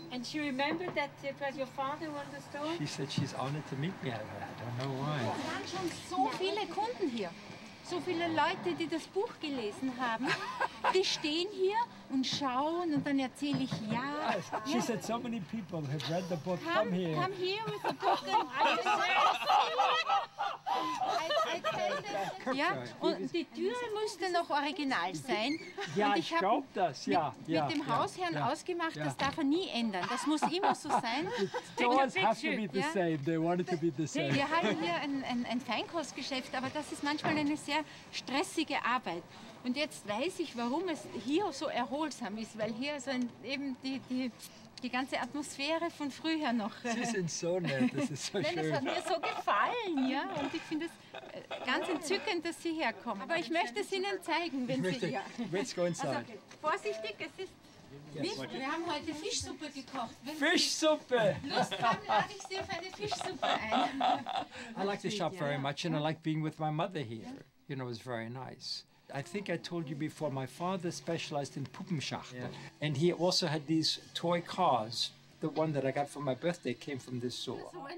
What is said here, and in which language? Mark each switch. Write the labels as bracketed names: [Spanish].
[English] And she remembered that it was your father who understood? She said she's honored to meet me. I don't know why. [German] Es waren schon so viele Kunden hier. So viele Leute, die das Buch gelesen haben, die stehen hier und schauen und dann erzähle ich, ja. [English] She said, so many people have read the book, come here. Come here with the book and I just say, [German] ja, und die Tür musste noch original sein. Ja, ich glaube das, ja. Mit dem Hausherrn ausgemacht, das darf er nie ändern. Das muss immer so sein. [English] The doors have to be the same, they wanted to be the same. [German] Wir haben hier ein Feinkostgeschäft, aber das ist manchmal eine sehr stressige Arbeit. Und jetzt weiß ich, warum es hier so erholsam ist, weil hier so eben die ganze Atmosphäre von früher noch. Sie sind so nett, das ist so nein, schön. Das hat mir so gefallen, ja. Und ich finde es ganz entzückend, dass Sie herkommen. Aber ich möchte es Ihnen zeigen, wenn Sie hier. [English] Let's go inside. [German] Vorsichtig, es ist Wir haben heute Fischsuppe gekocht. Wenn Fischsuppe! Lust haben, lade ich Sie auf eine Fischsuppe ein. [English] I like the shop very much and I like being with my mother here. You know, it's very nice. I think I told you before, my father specialized in Puppenschacht. Yeah. And he also had these toy cars. The one that I got for my birthday came from this store.